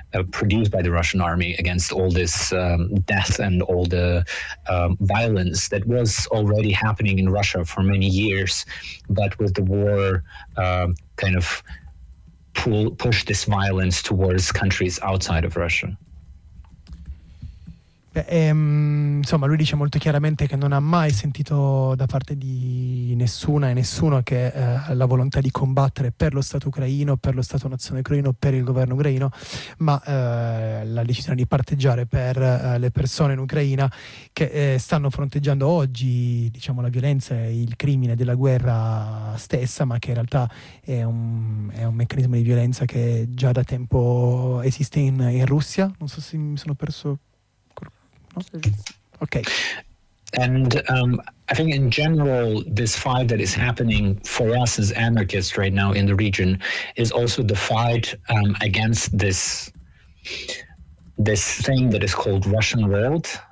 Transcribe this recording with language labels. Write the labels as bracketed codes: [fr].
[en] produced by the Russian army against all this death and all the violence that was already happening in Russia for many years, but with the war kind of pushed this violence towards countries outside of Russia. [it] Beh, insomma, lui dice molto chiaramente che non ha mai sentito da parte di nessuna e nessuno che la volontà di combattere per lo Stato ucraino, per lo Stato nazione ucraino, per il governo ucraino, ma la decisione di parteggiare per le persone in Ucraina che stanno fronteggiando oggi, diciamo, la violenza e il crimine della guerra stessa, ma che in realtà è un meccanismo di violenza che già da tempo esiste in Russia. Non so se mi sono perso. Okay. [en] And I think in general, this fight that is happening for us as anarchists right now in the region is also the fight against this thing that is called Russian world.